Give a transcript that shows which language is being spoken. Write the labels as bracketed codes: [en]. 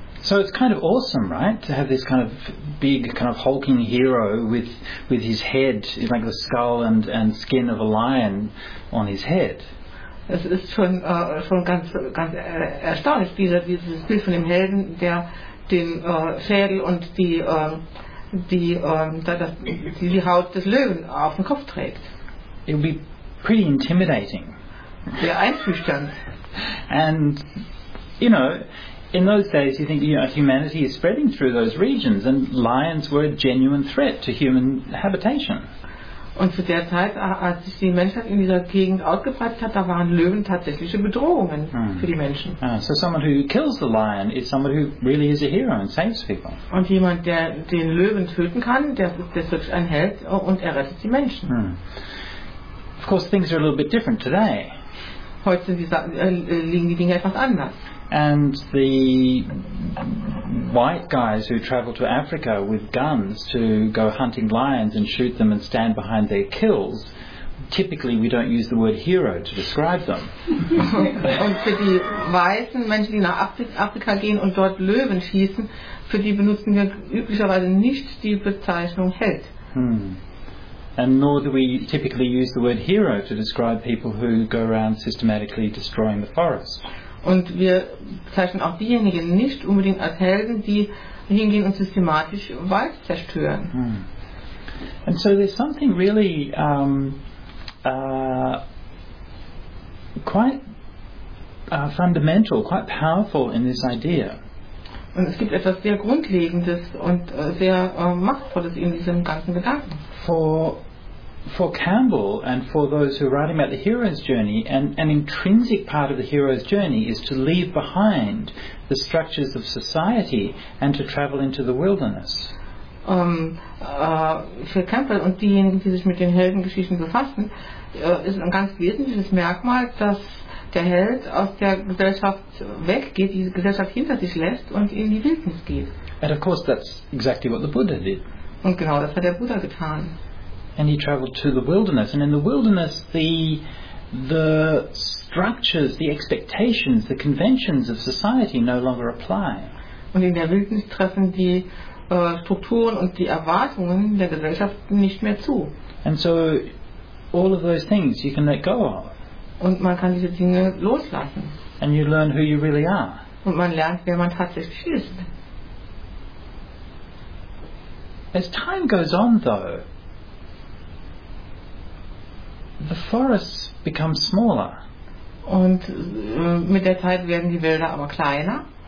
[en] So it's kind of awesome, right, to have this kind of big, kind of hulking hero with his head, like the skull and skin of a lion on his head. [de] Es ist schon ganz erstaunlich, dieses Bild von dem Helden, der den Schädel und die Haut des Löwen auf dem Kopf trägt. [en] It would be pretty intimidating. [de] Sehr einschüchternd. [en] And, you know, in those days, you think, you know, humanity is spreading through those regions, and lions were a genuine threat to human habitation. [de] Und zu der Zeit, als sich die Menschheit in dieser Gegend ausgebreitet hat, da waren Löwen tatsächliche Bedrohungen für die Menschen. [en] So someone who kills the lion is someone who really is a hero and saves people. [de] Und jemand, der den Löwen töten kann, der ist wirklich ein Held und er rettet die Menschen. [en] Of course, things are a little bit different today. [de] Heute liegen die Dinge etwas anders. [en] And the white guys who travel to Africa with guns to go hunting lions and shoot them and stand behind their kills, typically we don't use the word hero to describe them. [de] Und für die weißen Menschen, die nach Afrika gehen und dort Löwen schießen, für die benutzen wir üblicherweise nicht die Bezeichnung Held. [en] And nor do we typically use the word hero to describe people who go around systematically destroying the forest. [de] Und wir bezeichnen auch diejenigen nicht unbedingt als Helden, die hingehen und systematisch Wald zerstören. [en] And so there's something really fundamental, quite powerful in this idea. [de] Und es gibt etwas sehr Grundlegendes und sehr Machtvolles in diesem ganzen Gedanken. [en] For Campbell and for those who are writing about the hero's journey, an intrinsic part of the hero's journey is to leave behind the structures of society and to travel into the wilderness. [de] Für Campbell und diejenigen, die sich mit den Heldengeschichten befassen, ist ein ganz wesentliches Merkmal, dass der Held aus der Gesellschaft weggeht, diese Gesellschaft hinter sich lässt und in die Wildnis geht. [en] And of course, that's exactly what the Buddha did. [de] Und genau das hat der Buddha getan. [en] And he traveled to the wilderness, and in the wilderness the structures, the expectations, the conventions of society no longer apply. [de] Und in der Wildnis treffen die Strukturen und die Erwartungen der Gesellschaft nicht mehr zu. [en] And so all of those things you can let go of. [de] Und man kann diese Dinge loslassen. [en] And you learn who you really are. [de] Und man lernt, wer man tatsächlich ist. [en] As time goes on though, the forests become smaller. [de] Und mit der Zeit werden die Wälder aber kleiner.